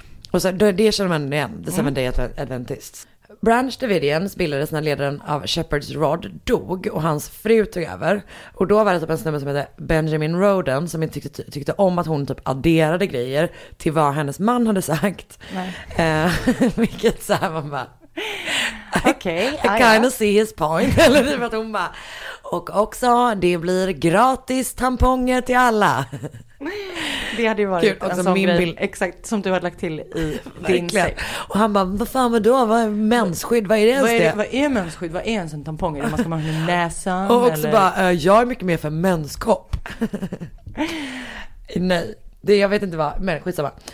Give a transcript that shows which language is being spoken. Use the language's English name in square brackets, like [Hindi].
[Swedish] Och så, det känner man igen, The Seventh Day Adventists. Branch Davidians bildades när ledaren av Shepherd's Rod dog och hans fru tog över. Och då var det typ en snubbe som hette Benjamin Roden som inte tyckte om att hon typ adderade grejer till vad hennes man hade sagt. Vilket så här, man bara [English] okay, I kind of see his point. [Swedish] Eller typ att hon bara Och också, det blir gratis tamponger till alla. Det hade ju varit kul, en sån min grej, bild. Exakt, som du hade lagt till i din sex. Och han bara, vad fan vadå, vad är mensskydd, vad är det ens det? Vad är mensskydd, vad är ens en tampong? Är det man ska man ha en näsa? Och också eller? Bara, jag är mycket mer för menskopp. Nej, det, jag vet inte vad, men skitsamma.